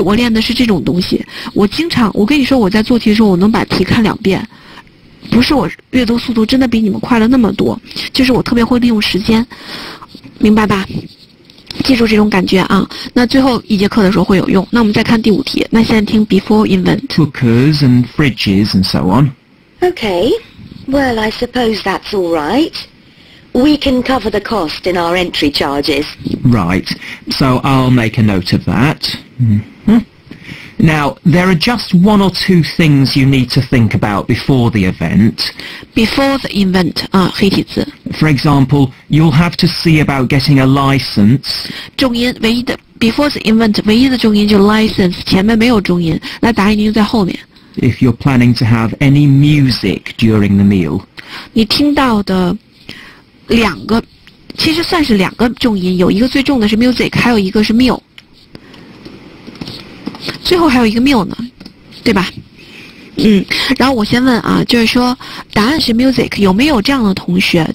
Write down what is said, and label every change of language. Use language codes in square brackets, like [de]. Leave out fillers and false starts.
[zh] 就我练的是这种东西，我经常，我跟你说我在做题的时候我能把题看两遍，不是我阅读速度真的比你们快了那么多，就是我特别会利用时间，明白吧？记住这种感觉啊。那最后一节课的时候会有用。那我们再看第五题，那现在听 [en] before invent cookers and fridges and so on. Okay, well I suppose that's all rightWe can cover the cost in our entry charges. Right, so I'll make a note of that. Mm-hmm. Now, there are just one or two things you need to think about before the event. Before the event, [zh] 黑体字。 [en] For example, you'll have to see about getting a license. [zh] 重音唯一的 [en] before the event [zh] 唯一的重音就 license， 前面没有重音，那答案一定在后面。 [en] If you're planning to have any music during the meal. [zh] 你听到的两个，其实算是两个重音，有一个最重的是 music， 还有一个是 meal， 最后还有一个 meal 呢，对吧？嗯，然后我先问啊，就是说答案是 music， 有没有这样的同学？